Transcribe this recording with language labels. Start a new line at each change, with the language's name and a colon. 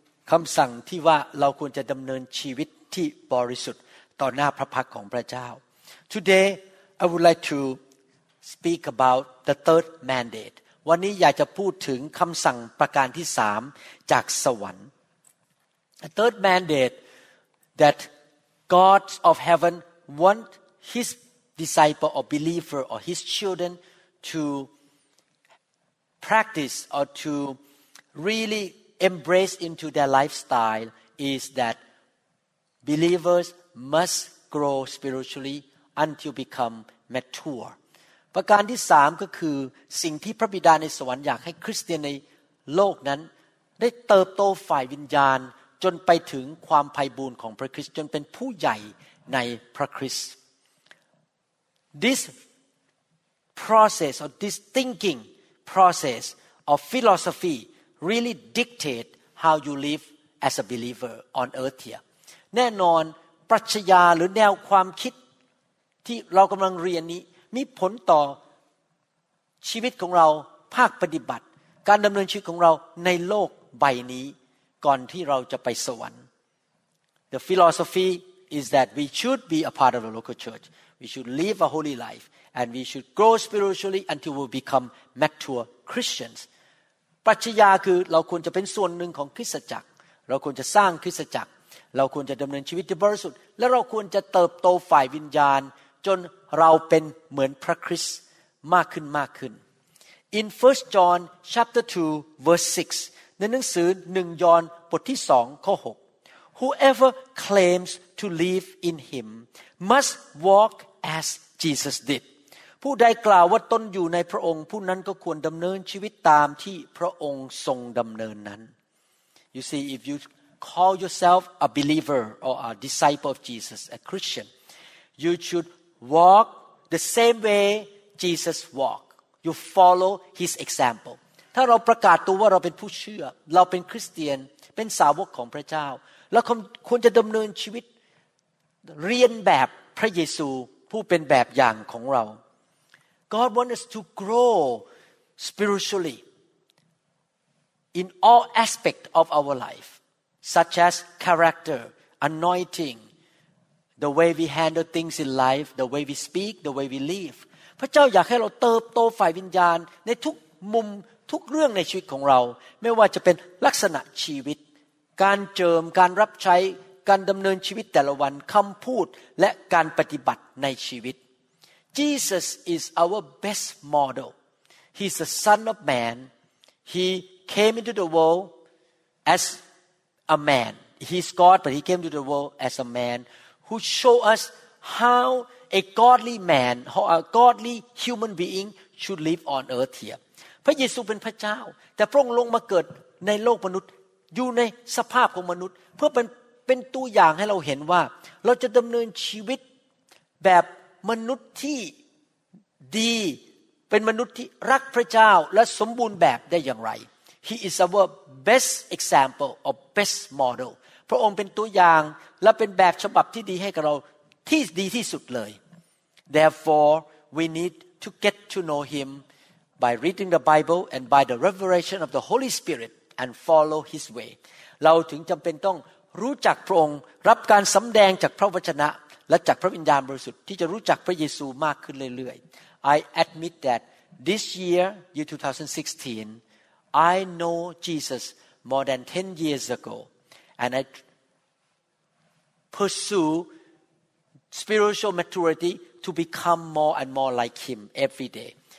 Thai: คำสั่งที่ว่าเราควรจะดำเนินชีวิตที่บริสุทธิ์ต่อหน้าพระพักของพระเจ้า
English: Today, I would like to speak about the third mandate
Thai: วันนี้อยากจะพูดถึงคำสั่งประการที่สามจากสวรรค์
English: A third mandate that God of heaven wants his disciple or believer or his children to practice or to really embrace into their lifestyle is that believers must grow spiritually until become mature.
Thai: ประการที่สามก็คือสิ่งที่พระบิดาในสวรรค์อยากให้คริสเตียนในโลกนั้นได้เติบโตฝ่ายวิญญาณจนไปถึงความไพบูลย์ของพระคริสต์จนเป็นผู้ใหญ่ในพระคริสต์
English: This process or this thinking process or philosophy really dictate how you live as a believer on earth here.
Thai: แน่นอนปรัชญาหรือแนวความคิดที่เรากำลังเรียนนี้มีผลต่อชีวิตของเราภาคปฏิบัติการดำเนินชีวิตของเราในโลกใบนี้ก่อนที่เราจะไปสวรรค์
English: The philosophy is that we should be a part of the local church. We should live a holy life and we should grow spiritually until we become mature Christians.
Thai: ปรัชญาคือเราควรจะเป็นส่วนหนึ่งของคริสตจักรเราควรจะสร้างคริสตจักรเราควรจะดำเนินชีวิตที่บริสุทธิ์และเราควรจะเติบโตฝ่ายวิญญาณจนเราเป็นเหมือนพระคริสต์มากขึ้นมากขึ้น
English: In 1 John chapter 2 verse 6
Thai: ในหนังสือ1ยอห์นบทที่2ข้อ6
English: Whoever claims to live in him must walk as Jesus did
Thai: ผู้ใดกล่าวว่าตนอยู่ในพระองค์ผู้นั้นก็ควรดำเนินชีวิตตามที่พระองค์ทรงดำเนินนั้น
English: You see if youcall yourself a believer or a disciple of Jesus, a Christian, you should walk the same way Jesus walked. You follow his example.
Thai: ถ้าเราประกาศตัวว่าเราเป็นผู้เชื่อเราเป็นคริสเตียนเป็นสาวกของพระเจ้าเราควรจะดำเนินชีวิตเรียนแบบพระเยซูผู้เป็นแบบอย่างของเรา
English: God wants us to grow spiritually in all aspects of our lifeSuch as character, anointing, the way we handle things in life, the way we speak, the way we live.
Thai: พระเจ้าอยากให้เราเติบโตฝ่ายวิญญาณในทุกมุมทุกเรื่องในชีวิตของเราไม่ว่าจะเป็นลักษณะชีวิตการเจิมการรับใช้การดำเนินชีวิตแต่ละวันคำพูดและการปฏิบัติในชีวิต
English: Jesus is our best model. He's the Son of Man. He came into the world asA man. He's God, but he came to the world as a man who showed us how a godly man, how a godly human being should live on earth here.
Thai: พระเยซูเป็นพระเจ้าแต่พระองค์ลงมาเกิดในโลกมนุษย์อยู่ในสภาพของมนุษย์เพื่อเป็นตัวอย่างให้เราเห็นว่าเราจะดำเนินชีวิตแบบมนุษย์ที่ดีเป็นมนุษย์ที่รักพระเจ้าและสมบูรณ์แบบได้อย่างไร
English: He is our best example or best model.
Thai: พระองค์เป็นตัวอย่างและเป็นแบบฉบับที่ดีให้กับเราที่ดีที่สุดเลย
English: Therefore, we need to get to know him by reading the Bible and by the revelation of the Holy Spirit and follow his way.
Thai: เราถึงจำเป็นต้องรู้จักพระองค์รับการสำแดงจากพระวจนะและจากพระวิญญาณบริสุทธิ์ที่จะรู้จักพระเยซูมากขึ้นเรื่อย
English: ๆ I admit that this year 2016I know Jesus more than 10 years ago, and I pursue spiritual maturity to become more and more like him every day.